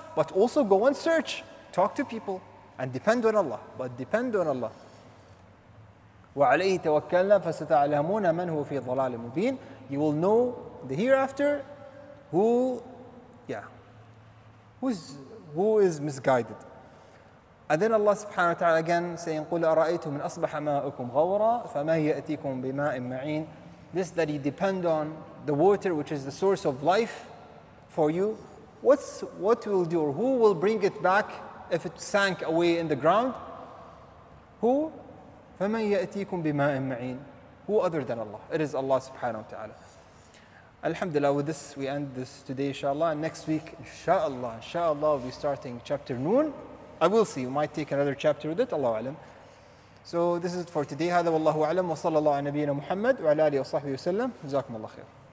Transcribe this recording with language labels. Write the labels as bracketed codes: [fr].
[en] But also go and search. Talk to people. And depend on Allah. But depend on Allah. [ar] وَعَلَيْهِ تَوَكَّلْنَا فَسَتَعْلَمُونَ مَنْ هُوَ فِي الضَّلَالِ مُبِينَ. [en] You will know the hereafter who is misguided. And then Allah subhanahu wa ta'ala again saying, [ar] قُلْ أَرَأَيْتُمْ مِنْ أَصْبَحَ مَاءُكُمْ غَوْرًا فَمَنْ يَأْتِيكُمْ بِمَاءٍ مَعِينَ. [en] This that you depend on the water, which is the source of life for you, what will do, or who will bring it back if it sank away in the ground? Who? [ar] فَمَنْ يَأْتِيكُمْ بِمَاءٍ مَعِينَ. [en] Who other than Allah? It is Allah subhanahu wa ta'ala. Alhamdulillah, with this, we end this today, inshallah. And next week, inshallah, we'll be starting chapter noon. I will see. We might take another chapter with it. Allahu alam. So this is it for today. [ar] هذا والله أعلم وصلى الله على نبينا محمد وعلى آله وصحبه وسلم. جزاكم الله خير.